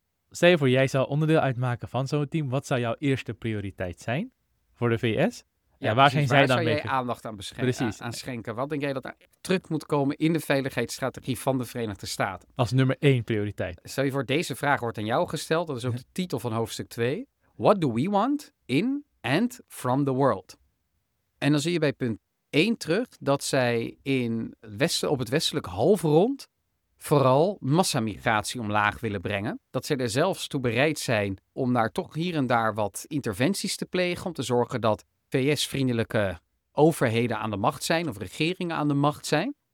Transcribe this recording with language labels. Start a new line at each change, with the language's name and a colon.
Dutch: Stel je voor, jij zou onderdeel uitmaken van zo'n team. Wat zou jouw eerste prioriteit zijn voor de VS? Ja, aandacht aan schenken? Wat denk jij dat er terug moet komen in de veiligheidsstrategie van de Verenigde Staten? Als nummer 1 prioriteit. Stel je voor, deze vraag wordt aan jou gesteld. Dat is ook de titel van hoofdstuk 2.
English: What do we want in and from the world?
Dutch: En dan zie je bij punt 1 terug dat zij op het westelijk halfrond vooral massamigratie omlaag willen brengen. Dat ze er zelfs toe bereid zijn om daar toch hier en daar wat interventies te plegen. Om te zorgen dat VS-vriendelijke overheden aan de macht zijn of regeringen aan de macht zijn.